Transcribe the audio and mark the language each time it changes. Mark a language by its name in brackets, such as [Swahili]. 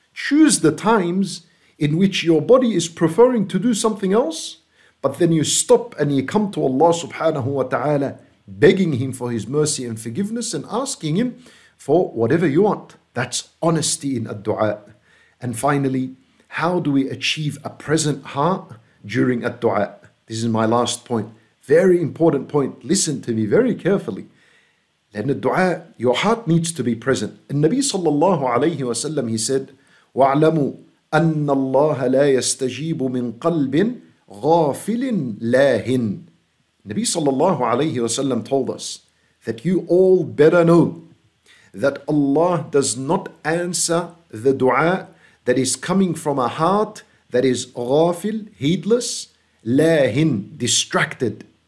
[English] Choose the times in which your body is preferring to do something else, but then you stop and you come to Allah subhanahu wa ta'ala, begging Him for His mercy and forgiveness and asking Him for whatever you want. That's honesty in ad-du'a. And finally, how do we achieve a present heart during ad-du'a? This is my last point. Very important point. Listen to me very carefully. In ad-du'a, your heart needs to be present. And Nabi sallallahu alayhi wa sallam, he said, [Arabic] وَعْلَمُوا أَنَّ اللَّهَ لَا يَسْتَجِيبُ مِنْ قَلْبٍ غَافِلٍ لَاهِنٍ. [English] Nabi sallallahu alayhi wa sallam told us that you all better know that Allah does not answer the dua that is coming from a heart that is ghafil, heedless, lahin, distracted.